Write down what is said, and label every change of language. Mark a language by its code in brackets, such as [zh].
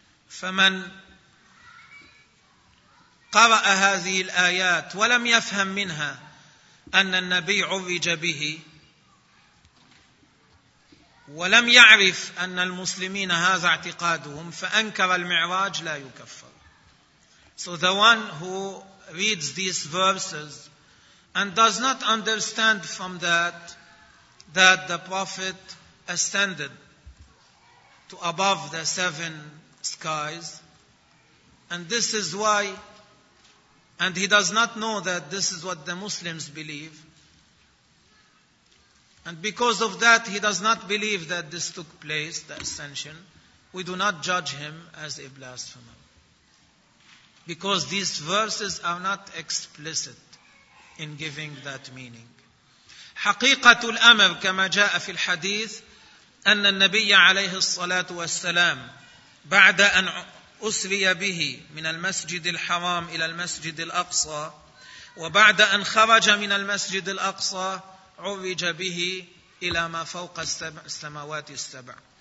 [ar] فَمَنْ قَرَأَ هَذِهِ الْآيَاتِ وَلَمْ يَفْهَمْ مِنْهَا أن النبي عرج به ولم يعرف أن المسلمين هذا اعتقادهم فأنكر المعراج لا يكفر. [en] So the one who reads these verses and does not understand from that the Prophet ascended to above the seven skies, and this is why, and he does not know that this is what the Muslims believe, and because of that he does not believe that this took place, the ascension, we do not judge him as a blasphemer. Because these verses are not explicit in giving that meaning. [ar] حقيقة الأمر كما جاء في الحديث أن النبي عليه الصلاة والسلام بعد أن أسري به من المسجد الحرام إلى المسجد الأقصى وبعد أن خرج من المسجد الأقصى عرج به إلى ما فوق السماوات السبع.